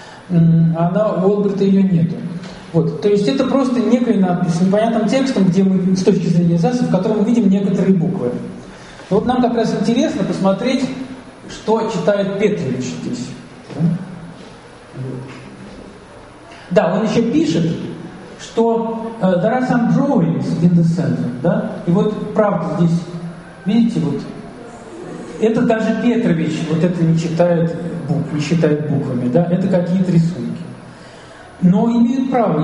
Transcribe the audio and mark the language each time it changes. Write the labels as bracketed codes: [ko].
[ru] Она, у Олбрайта ее нету. Вот. То есть это просто некая надпись с непонятным текстом, где мы, с точки зрения ЗАГСа, в котором мы видим некоторые буквы. Вот нам как раз интересно посмотреть, что читает Петрович здесь. Да, он еще пишет, что [en] there are some drawings in the center, [ru] да? И вот правда здесь, видите, вот это даже Петрович вот это не читает, не считает буквами, да? Это какие-то рисунки. Но имеют право.